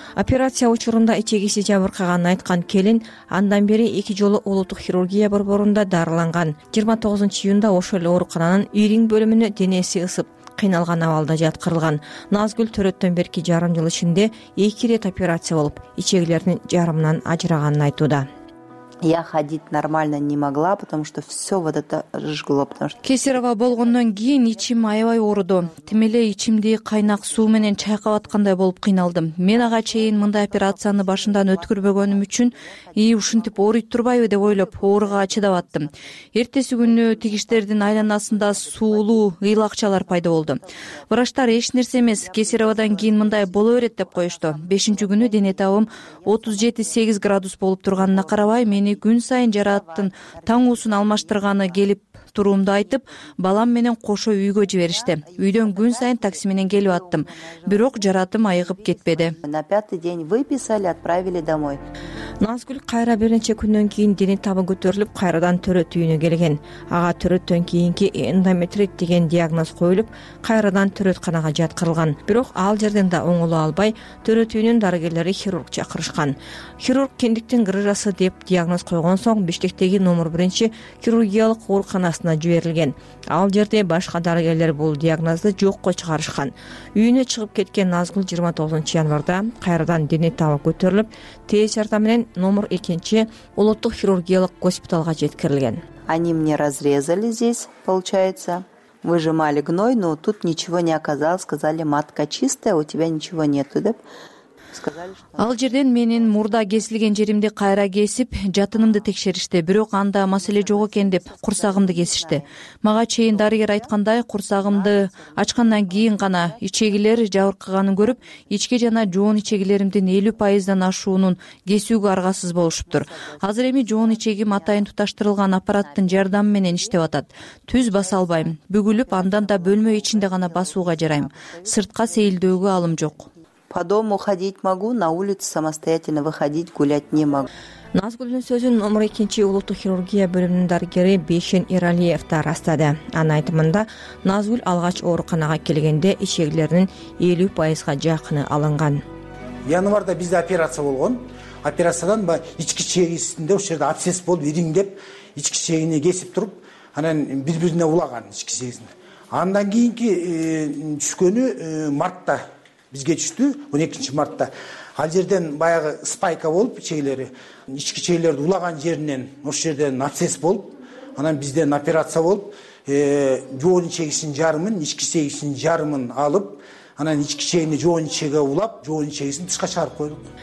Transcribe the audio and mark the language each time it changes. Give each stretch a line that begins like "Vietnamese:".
Kyrgyz: Операция учурунда ичегиси жабыркаганын айткан келин андан бери 2 жолу улуттук хирургия борборунда дарыланган. 29 июнда ошол эле оорукананын ийриң бөлүмүнө денеси ысып кыйналган абалда жаткырылган. Назгүл төрөттөн берки жарым жыл ичинде 2 ирет операция болуп, ичегилеринин жарымынан ажыраганын айтууда.
Russian: Я ходить нормально не могла, потому что все вот это жгло, потому что
Kyrgyz: кесарево болгондон кийин ичим аябай ооруду. Тимеле ичимди кайнак суу менен чайкап аткандай болуп кыйналдым. Мен ага чейин мындай операцияны башымдан өткөрбөгөнүм үчүн ушинтип ооруй турбайбы деп ойлоп, ооруга чыдап аттым. Эртеси күнү тигиштердин айланасында суулуу ыйлакчалар пайда болду. Врачтар эч нерсе эмес, кесароводон кийин мындай боло берет деп коюшту. 5-чү күнү дене табым 37.8 градус болуп турганына карабай, мени күн сайын жараттын таңуусун алмаштырганы келип туруумду айтып, балам менен кошо үйгө жиберишти. Үйдөн күн сайын такси менен келип аттым, бирок жаратым айыгып кетпеди.
Russian: На пятый день выписали, отправили домой.
Kyrgyz: Назгүл кайра бир нече күндөн кийин дене табы көтөрүлүп, кайрадан төрөт үйүнө келген. Ага төрөттөн кийинки эндометрит деген диагноз коюлуп, кайрадан төрөтканага жаткырылган. Бирок ал жерден да оңоло албай, төрөт үйүнүн дарыгерлери хирург чакырышкан. Хирург кендиктин грыжасы деп диагноз койгон соң, Бишкектеги номер 1 хирургиялык ооруканасына жиберилген. Ал жерде башка дарыгерлер бул диагнозду жокко чыгарышкан. Үйүнө чыгып кеткен Назгүл 29 январда кайрадан дене табы көтөрүлүп, тез жардам менен номер 2 улуттук хирургиялык госпиталга жеткирилген.
Russian: Они мне разрезали здесь, получается. Выжимали гной, но тут ничего не оказалось. Сказали, матка чистая, у тебя ничего нету,
Kyrgyz: деп. Ал жерден менин мурда кесилген жеримди кайра кесип, жатынымды текшеришти, бирок анда маселе жок экен деп курсагымды кесишти. Мага чейин дарыгер айткандай, курсагымды ачкандан кийин гана ичегилер жабыркаганын көрүп, ичке жана жоон ичегилеримдин 50%дан ашуунун кесүүгө аргасыз болушуптур. Азыр эми жоон ичегим атайын туташтырылган аппараттын жардамы менен иштеп атат. Түз баса албайм, бүгүлүп андан да бөлмө ичинде гана басууга жарайм. Сыртка сейилдөөгө алым жок.
Russian: По дому ходить могу, на улицу самостоятельно выходить, гулять не могу.
Kyrgyz: Назгүлдүн сөзүн номер 2 улуттук хирургия бөлүмүнүн дарыгери Бешен Иралиев да ырастады. Анын айтымында Назгүл алгач ооруканага келгенде ичегилеринин 50%га жакыны алынган. Январда бизде операция болгон. Операциядан ички ичегисинде ошол жерде абсцесс болуп ириңдеп, ички ичегине кесип туруп, анан бир-бирине улаган ички ичегисинде. Андан кийинки түшкөнү мартта. Бизге түштү 12 мартта. Ал жерден баягы спайка болуп ичегилери, ички ичегилерди улаган жеринен ошол жерден абсцесс болуп, анан бизден операция болуп, жоон ичегисинин жарымын, ички ичегисинин жарымын алып, анан ички ичегини жоон ичеге улап, жоон ичегисин тышка чыгарып койдук.